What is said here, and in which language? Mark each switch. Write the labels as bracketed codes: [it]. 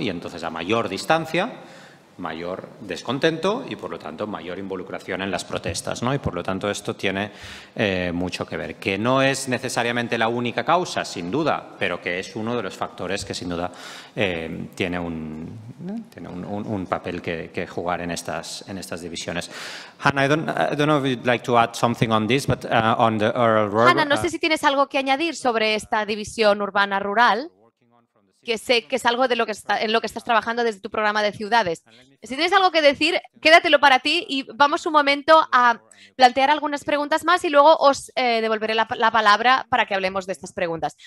[es] Y entonces a mayor distancia, mayor descontento y, por lo tanto, mayor involucración en las protestas, ¿no? Y, por lo tanto, esto tiene mucho que ver. Que no es necesariamente la única causa, sin duda, pero que es uno de los factores que, sin duda, tiene un papel que jugar en estas divisiones. [en] Hannah, I don't know if you'd like to add something on this, but on the rural. [es] Hannah, no sé si tienes algo que añadir sobre esta división urbana-rural. Que sé que es algo en lo que estás trabajando desde tu programa de ciudades. Si tienes algo que decir, quédatelo para ti y vamos un momento a plantear algunas preguntas más y luego os devolveré la palabra para que hablemos de estas preguntas.